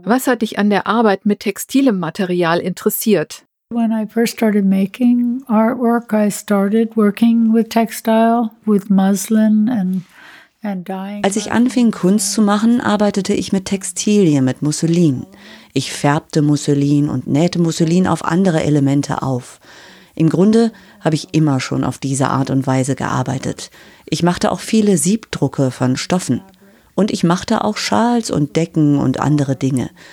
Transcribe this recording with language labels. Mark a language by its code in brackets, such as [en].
[de] was hat dich an der Arbeit mit textilem Material interessiert? [en] When I first started making artwork, I started working with textile, with muslin and dyeing. [de] Als ich anfing, Kunst zu machen, arbeitete ich mit Textilien, mit Musselin. Ich färbte Musselin und nähte Musselin auf andere Elemente auf. Im Grunde habe ich immer schon auf diese Art und Weise gearbeitet. Ich machte auch viele Siebdrucke von Stoffen. Und ich machte auch Schals und Decken und andere Dinge.